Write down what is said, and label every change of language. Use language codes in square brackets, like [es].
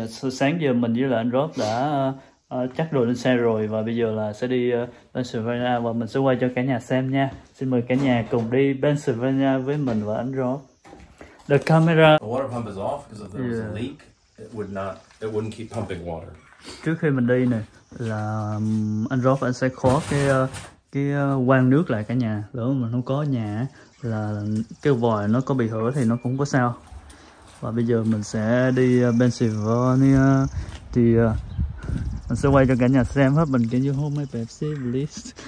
[vi] sáng giờ mình với là anh Rob đã chắc đồ lên xe rồi và bây giờ là sẽ đi bên Slovenia và mình sẽ quay cho cả nhà xem nha. Xin mời cả nhà cùng đi bên Slovenia với mình và anh Rob. [en] The camera. The water pump is off because if there was a leak, it wouldn't keep pumping water. [vi] Trước khi mình đi này là anh Rob anh sẽ khóa cái quan nước lại cả nhà. Lỡ mình không có nhà là cái vòi nó có bị hở thì nó cũng có sao. Và bây giờ mình sẽ đi Pennsylvania thì mình sẽ quay cho cả nhà xem hết mình [en] can you hold my Pepsi please.